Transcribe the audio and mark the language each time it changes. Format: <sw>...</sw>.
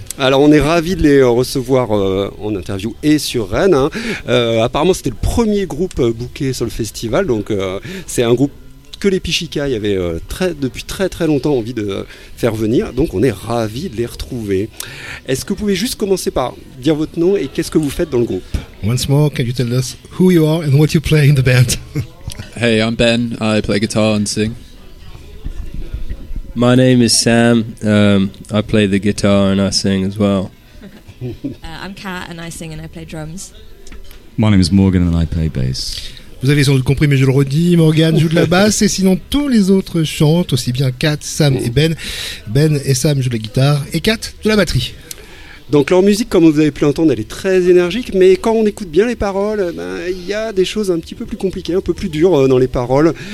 <fr>Alors, on est ravis de les recevoir en interview et sur Rennes. Hein. Apparemment, c'était le premier groupe booké sur le festival, donc c'est un groupe que les Pichikai avaient depuis très très longtemps envie de faire venir, donc on est ravis de les retrouver. Est-ce que vous pouvez juste commencer par dire votre nom et qu'est-ce que vous faites dans le groupe?</fr> <en>Once more, can you tell us who you are and what you play in the band? Hey, I'm Ben. I play guitar and sing. My name is Sam. I play the guitar and I sing as well. I'm Kat and I sing and I play drums. My name is Morgan and I play bass.</en> <fr>Vous avez sans doute compris, mais je le redis, Morgan joue de la basse et sinon tous les autres chantent, aussi bien Kat, Sam et Ben. Ben et Sam jouent de la guitare et Kat de la batterie. Donc leur musique, comme vous avez pu l'entendre, elle est très énergique, mais quand on écoute bien les paroles, y a des choses un petit peu plus compliquées, un peu plus dures dans les paroles.</fr>